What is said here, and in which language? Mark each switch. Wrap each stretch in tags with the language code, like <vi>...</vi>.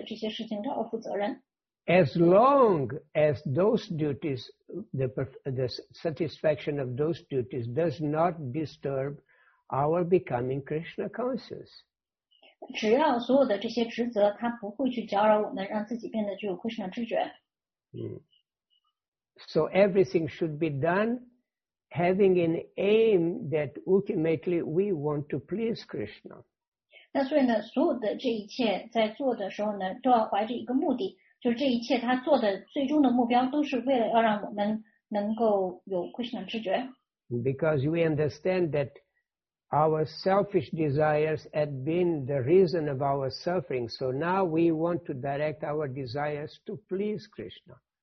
<zh>那事实上呢，我们要非常的有责任心的，我们一定要对所有的这些事情都要负责任。</zh> <en>As long as those duties, the satisfaction of those duties does not disturb our becoming Krishna conscious.</en> <zh>只要所有的这些职责，它不会去搅扰我们，让自己变得具有Krishna知觉。</zh> <en>So everything should be done having an aim that ultimately we want to please Krishna.</en> <zh>那所以呢，所有的这一切在做的时候呢，都要怀着一个目的，就是这一切它做的最终的目标都是为了要让我们能够有Krishna知觉。</zh> <en>Because we understand that our selfish desires had been the reason of our suffering, so now we want to direct our desires to please Krishna.</en>